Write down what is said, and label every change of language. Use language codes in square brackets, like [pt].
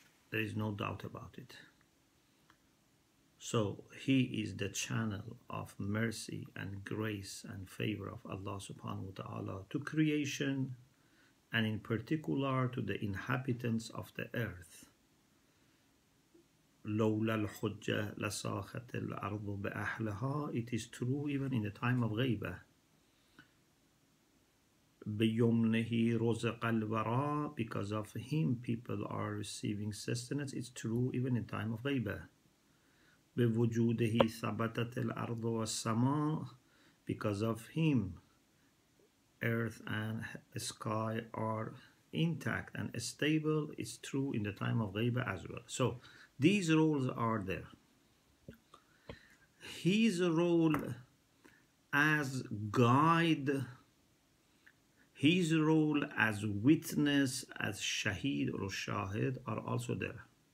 [en] There is no doubt about it. So he is the channel of mercy and grace and favor of Allah subhanahu wa ta'ala to creation, and in particular to the inhabitants of the earth. [ar] لولا الحجة لساخت الأرض بأحلها. [en] It is true even in the time of غيبة. [ar] بيمنه رزق الوراء. [en] Because of him people are receiving sustenance. It's true even in time of غيبة. [ar] بوجوده ثبتت الأرض والسماء. [en] Because of him earth and sky are intact and stable. It's true in the time of غيبة as well. So these roles are there. His role as guide, his role as witness, as shaheed or shahid, are also there.